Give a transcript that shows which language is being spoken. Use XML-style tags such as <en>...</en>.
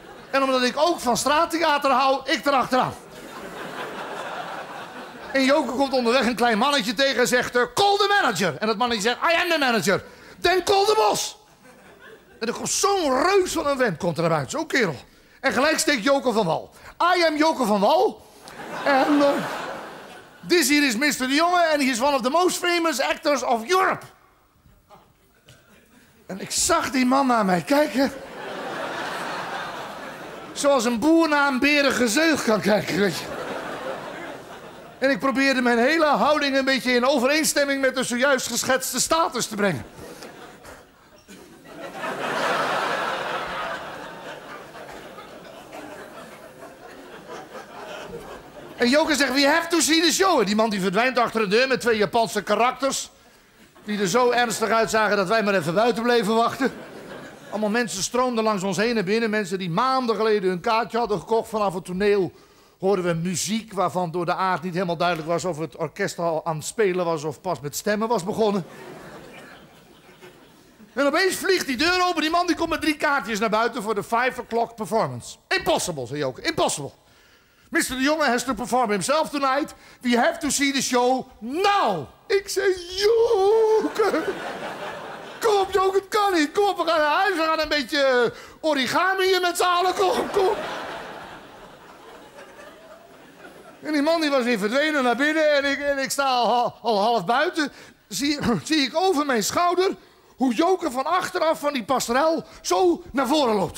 <nl>En omdat ik ook van straattheater hou, ik erachteraan. En Joke komt onderweg een klein mannetje tegen en zegt,</nl> <en>call the manager.</en> <nl>En dat mannetje zegt,</nl> <en>I am the manager. Then call the boss.</en> <nl>En er komt zo'n reus van een vent komt er naar buiten, zo'n kerel. En gelijk steekt Joke van Wal.</nl> <en>I am Joke van Wal. En this here is Mr. de Jonge and he is one of the most famous actors of Europe.</en> <nl>En ik zag die man naar mij kijken. Zoals een boer naar een beren gezeugd kan kijken, weet je. En ik probeerde mijn hele houding een beetje in overeenstemming met de zojuist geschetste status te brengen. En Joke zegt, we have to see the show. En die man die verdwijnt achter een deur met twee Japanse karakters. Die er zo ernstig uitzagen dat wij maar even buiten bleven wachten. Allemaal mensen stroomden langs ons heen en binnen. Mensen die maanden geleden hun kaartje hadden gekocht. Vanaf het toneel hoorden we muziek waarvan door de aard niet helemaal duidelijk was of het orkest al aan het spelen was of pas met stemmen was begonnen. En opeens vliegt die deur open. Die man die komt met drie kaartjes naar buiten voor de</nl> <en>5 o'clock performance. Impossible,</en> <nl>zei Joke.</nl> <en>Impossible. Mr. de Jonge has to perform himself tonight. We have to see the show now.</en> <nl>Ik zei, Joke. Kom op, Joke, het kan niet. Kom op, we gaan naar huis. We gaan een beetje origamiën met z'n allen. Kom, kom. En die man die was weer verdwenen naar binnen. En ik sta al half buiten. Zie ik over mijn schouder hoe Joke van achteraf van die pastorel zo naar voren loopt.</nl>